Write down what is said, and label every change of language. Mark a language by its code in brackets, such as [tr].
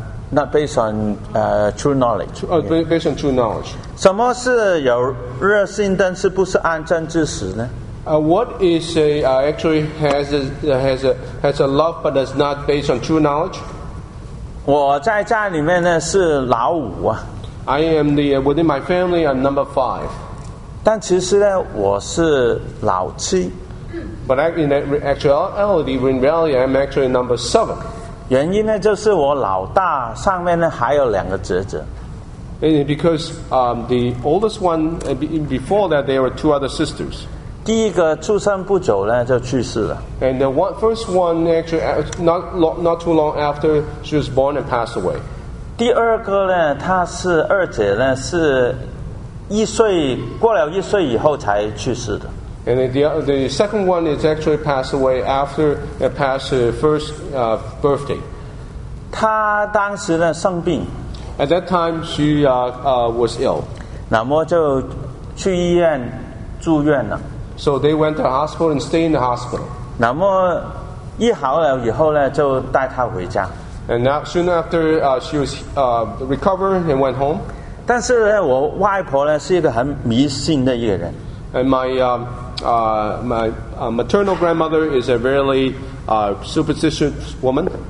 [en] Not based on true knowledge. Based on true knowledge. [zh] 什么是有热心但是不是按真知识呢？ [en] What is actually has a love but is not based on true knowledge? [zh] 我在家里面呢是老五啊。 [en] I am within my family, I'm number five. [zh] 但其实呢，我是老七。 [en] But in actuality, in reality, I'm actually number seven. [zh] 原因呢，就是我老大上面呢还有两个侄子。 [en] And because the oldest one before that there were two other sisters. [zh] 第一个出生不久呢就去世了。 [en] And the first one actually not too long after she was born and passed away. [zh] 第二个呢，他是二姐呢是。一岁过了一岁以后才去世的。 [en] And the second one is actually passed away after it passed her first birthday. [zh] 她当时呢生病。 [en] At that time she was ill. [zh] 那么就去医院住院了。 [en] So they went to the hospital and stayed in the hospital. [zh] 那么一好了以后呢就带她回家。 [en] And now soon after she was recovered and went home. [zh] 但是呢，我外婆呢是一个很迷信的一个人。 [en] And my maternal grandmother is a really superstitious woman.